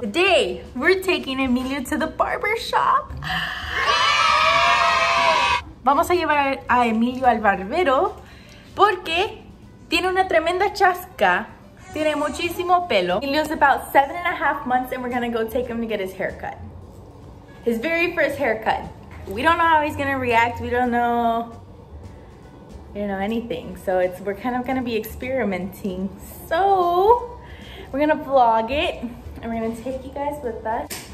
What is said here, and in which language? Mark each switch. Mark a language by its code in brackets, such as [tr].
[en] Today, we're taking Emilio to the barber shop. [es] Vamos a llevar a Emilio al barbero porque tiene una tremenda chasca Tiene muchísimo pelo. [en] He lives about 7.5 months and we're gonna go take him to get his haircut. His very first haircut. We don't know how he's gonna react. We don't know, you know, anything. So it's, we're kind of gonna be experimenting. So we're gonna vlog it and we're gonna take you guys with us.